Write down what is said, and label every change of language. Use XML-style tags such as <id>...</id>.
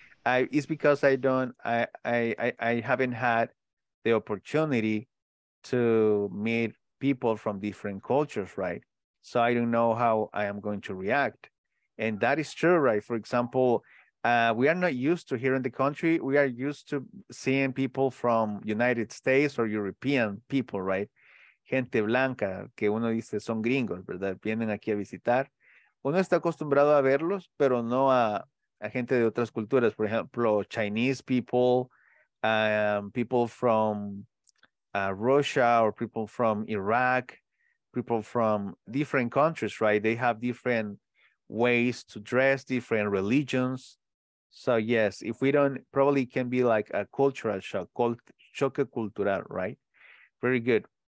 <en>It's because I haven't had the opportunity to meet people from different cultures, right? So I don't know how I am going to react. And that is true, right? For example, we are not used to here in the country. We are used to seeing people from United States or European people, right?</en> <es>Gente blanca, que uno dice son gringos, ¿verdad? Vienen aquí a visitar. Uno está acostumbrado a verlos, pero no a, a gente de otras culturas. Por ejemplo,</es> <en>Chinese people, people from Russia, or people from Iraq, people from different countries, right? They have different ways to dress, different religions. So yes, if we don't, probably can be like a cultural shock,</en> <es>choque cultural,</es> <en>right? Very good.</en>